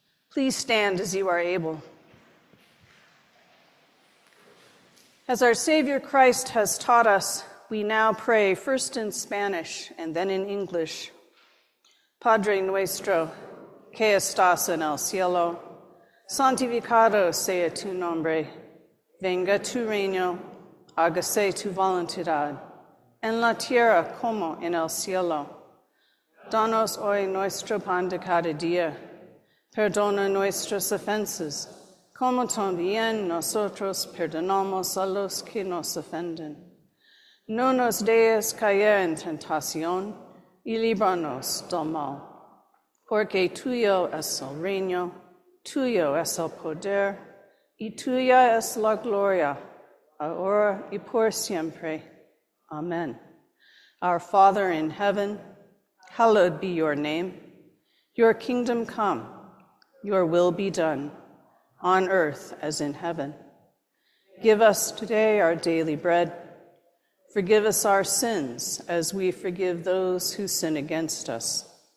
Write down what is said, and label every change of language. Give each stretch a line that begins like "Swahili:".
English: Please stand as you are able. As our Savior Christ has taught us, we now pray first in Spanish and then in English.
Spanish: Padre nuestro, que estás en el cielo, santificado sea tu nombre, venga tu reino, hágase tu voluntad, en la tierra como en el cielo. Danos hoy nuestro pan de cada día, perdona nuestras ofensas, como también nosotros perdonamos a los que nos ofenden. No nos dejes caer en tentación, y líbranos del mal. Porque tuyo es el reino, tuyo es el poder, y tuya es la gloria, ahora y por siempre. Amen.
English: Our Father in heaven, hallowed be your name. Your kingdom come. Your will be done, on earth as in heaven. Give us today our daily bread. Forgive us our sins as we forgive those who sin against us.